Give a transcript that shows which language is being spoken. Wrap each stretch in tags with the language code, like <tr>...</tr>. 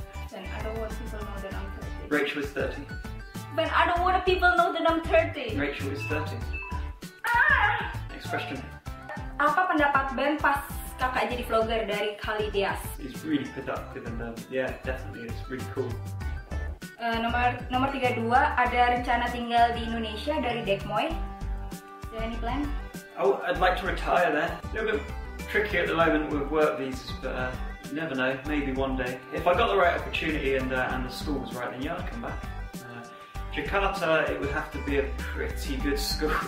<en>Ben, I don't want people know that I'm 30. Rachel is 30. Ben, I don't want people know that I'm 30. Rachel is 30. Next question.</en> <id>Apa pendapat Ben pas kakak jadi vlogger dari Kalidias?</id> <en>He's really productive and yeah, definitely, it's really cool.</en> <id>Nomor 32, ada rencana tinggal di Indonesia dari Dekmoy?</id> <en>Do you have any plan? Oh, I'd like to retire there. A little bit tricky at the moment with work visas, but you never know, maybe one day. If I got the right opportunity and the school was right, then yeah, I'd come back. Jakarta, it would have to be a pretty good school.</en>